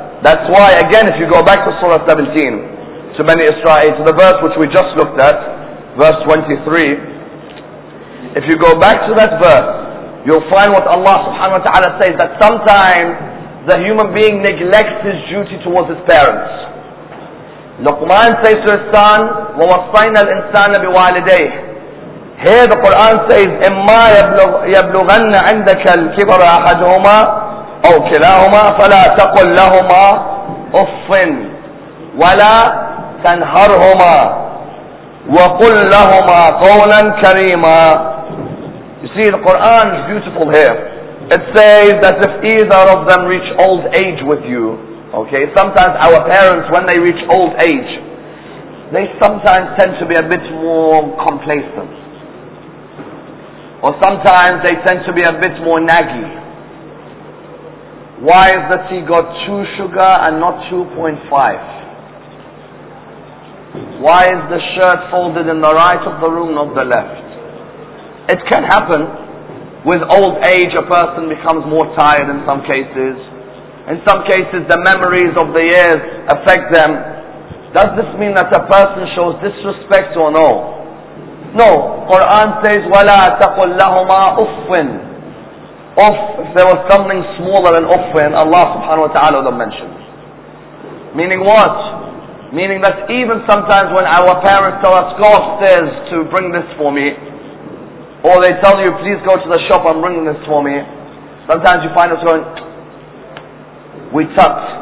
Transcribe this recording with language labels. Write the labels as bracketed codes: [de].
[en] That's why, again, if you go back to Surah 17, to Bani Israel, to the verse which we just looked at, verse 23, if you go back to that verse, you'll find what Allah subhanahu wa ta'ala says, that sometimes the human being neglects his duty towards his parents. Luqman says to his son, [ar] وَوَصَّيْنَا الْإِنسَانَ بِوَالِدَيْهِ. Here the Quran says, إِمَّا يَبْلُغَنَّ عِنْدَكَ الْكِبَرَ أَحَدُهُمَا أَوْ كِلَاهُمَا فَلَا تَقُلْ لَهُمَا أُفٍّ وَلَا تَنْهَرْهُمَا وَقُلْ لَهُمَا قَوْلًا كَرِيمًا. [en] You see, the Quran is beautiful here. It says that if either of them reach old age with you, okay, sometimes our parents, when they reach old age, they sometimes tend to be a bit more complacent. Or sometimes they tend to be a bit more naggy. Why is the tea got 2 sugar and not 2.5? Why is the shirt folded in the right of the room, not the left? It can happen. With old age, a person becomes more tired in some cases. In some cases, the memories of the years affect them. Does this mean that a person shows disrespect or no? No. Quran says, [ar] وَلَا تَقُلْ لَهُمَا أُفٍ. [en] Uff, if there was something smaller than أُفٍ, Allah subhanahu wa ta'ala would have mentioned. Meaning what? Meaning that even sometimes when our parents tell us, go upstairs to bring this for me, or they tell you, please go to the shop and bring this for me, sometimes you find us going, we tut.